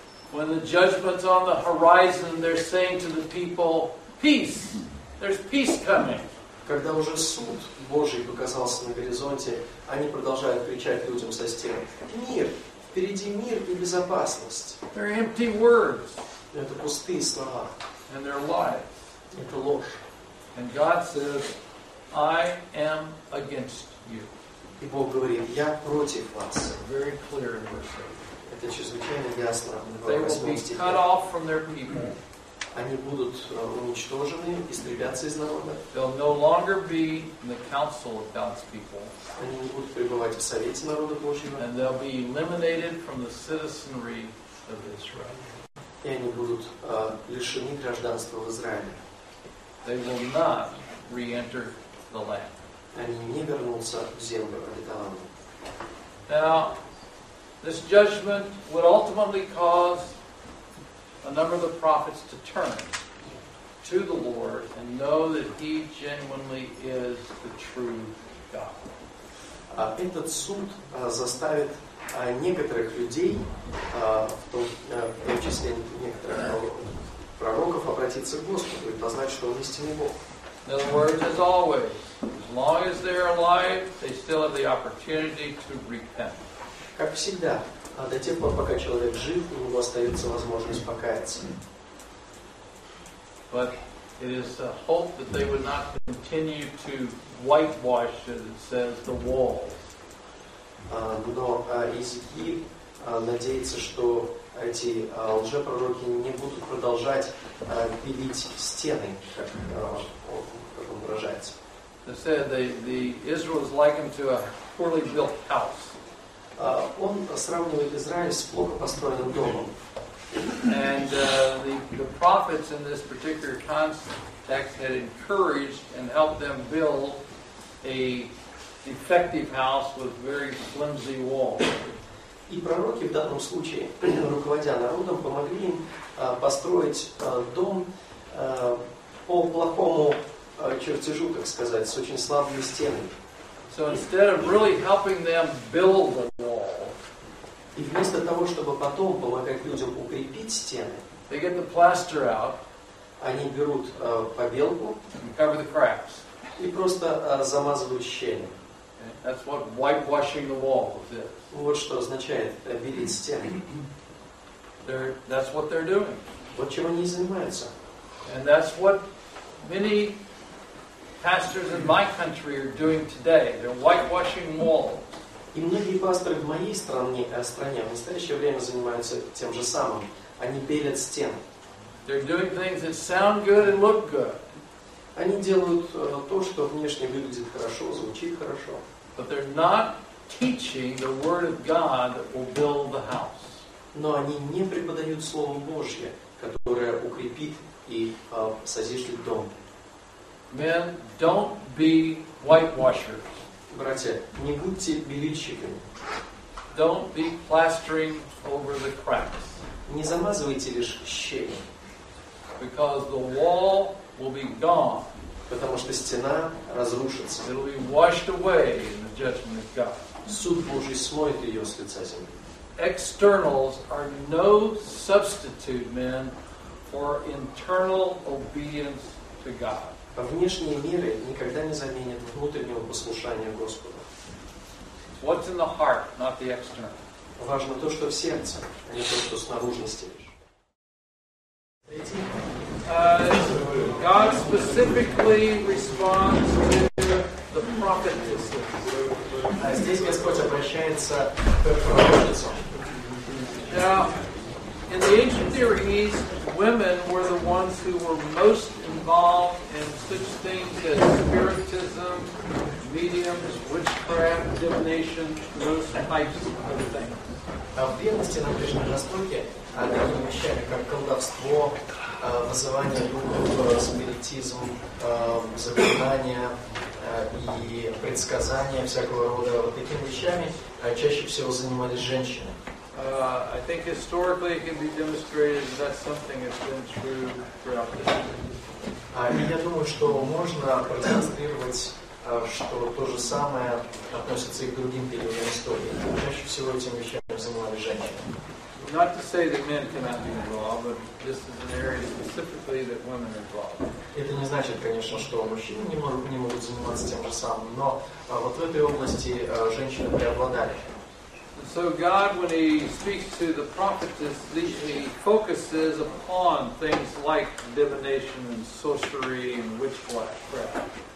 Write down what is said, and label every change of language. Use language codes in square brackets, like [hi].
[en] When the judgment's on the horizon, they're saying to the people, "Peace! There's peace coming." [ru] Когда уже суд Божий показался на горизонте, они продолжают кричать людям со стен: "Мир! Впереди мир и безопасность." [en] They're empty words. [ru] Это пустые слова. [en] And they're lies. [ru] Это ложь. [en] And God says, "I am against you." [ru] И Бог говорит: "Я против вас." [en] Very clear in verse 8. [ru] Это чрезвычайно ясно. [en] They will be cut off from their people. [ru] Они будут уничтожены, истребятся из народа. [en] They'll no longer be in the council of God's people. [ru] Они не будут пребывать в совете народа Божьего. [en] And they'll be eliminated from the citizenry of Israel. [ru] И они будут лишены гражданства в Израиле. [en] They will not re-enter the land. [ru] Они не вернутся в землю обетованную. [en] Now, this judgment would ultimately cause a number of the prophets to turn to the Lord and know that He genuinely is the true God. [ru] Этот суд заставит некоторых людей, в том числе некоторых пророков, обратиться к Господу и познать, что Он истинный Бог. [en] In other words, as always, as long as they're alive, they still have the opportunity to repent. [ru] Как всегда, до тех пор, пока человек жив, у него остается возможность покаяться. [en] But it is a hope that they would not continue to whitewash, as it says, the walls. [ru] Но Иезекииль надеется, что эти лжепророки не будут продолжать белить стены, как он выражается. [en] They said the Israel is likened to a poorly built house. [ru] Он сравнивает Израиль с плохо построенным домом. [en] And the prophets in this particular context had encouraged and helped them build a effective house with very flimsy walls. [ru] И пророки в данном случае, руководя народом, помогли им построить дом по плохому чертежу, так сказать, с очень слабыми стенами. [en] So instead of really helping them build the wall, [ru] и вместо того, чтобы потом помогать людям укрепить стены, [en] they get the plaster out, [ru] они берут побелку, [en] and cover the cracks, [ru] и просто замазывают щели. [en] Okay. That's what whitewashing the wall is. [ru] Вот что означает белить стены. [en] That's what they're doing. [ru] Вот чем они занимаются. [en] And that's what many pastors in my country are doing today. They're whitewashing walls. [ru] И многие пасторы в моей стране в настоящее время занимаются тем же самым. Они белят стены. [en] They're doing things that sound good and look good. [ru] Они делают то, что внешне выглядит хорошо, звучит хорошо. [en] But they're not teaching the word of God that will build the house. [ru] Но они не преподают слово Божье, которое укрепит и созиждет дом. [en] Men, don't be whitewashers. [ru] Братья, не будьте белильщиками. [en] Don't be plastering over the cracks. [ru] Не замазывайте лишь щели. [en] Because the wall will be gone. [ru] Потому что стена разрушится. [en] It will be washed away in the judgment of God. [ru] Суд Божий смоет ее с лица земли. [en] Externals are no substitute, men, for internal obedience to God. [ru] Внешние меры никогда не заменят внутреннего послушания Господу. [en] What's in the heart, not the external? [ru] Важно то, что в сердце, а не то, что снаружи стелишь. [en] God specifically responds to the prophetess. [ru] А здесь Господь обращается к пророчице. [en] Now, in the ancient Near East, women were the ones who were most involved in such things as spiritism, mediums, witchcraft, divination, those types of things. [ru] А в древности на Ближнем Востоке такими вещами, как колдовство, вызывание духов, спиритизм, заклинания и предсказания всякого рода, вот такими вещами чаще всего занимались женщины. [en] I think historically it can be demonstrated that that's something that's been true throughout the history. [ru] Я думаю, что можно продемонстрировать, что то же самое относится и к другим периодам истории. Чаще всего этим вещами занимались женщины. [en] Not to say that men cannot be involved, but this is an area specifically that women are involved. [ru] Это не значит, конечно, что мужчины не могут заниматься тем же самым, но вот в этой области женщины преобладали. [en] So God, when He speaks to the prophetess, He focuses upon things like divination and sorcery and witchcraft.